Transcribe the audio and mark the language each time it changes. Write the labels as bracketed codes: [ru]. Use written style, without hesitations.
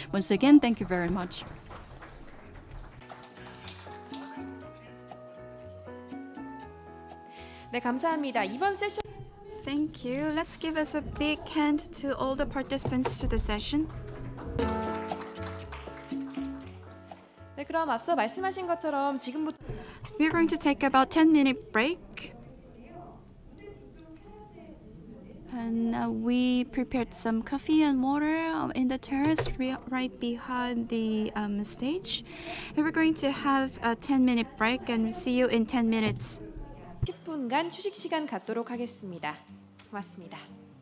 [en] Once again, thank you very much. Thank you. Let's give us a big hand to all the participants to the session. [ko] 네, 그럼 앞서 말씀하신 것처럼 지금부터 [en] We're going to take about 10-minute break. And we prepared some coffee and water in the terrace right behind the stage. And we're going to have a 10-minute break and see you in 10 minutes. [ko] 10분간 휴식 시간 갖도록 하겠습니다. 고맙습니다.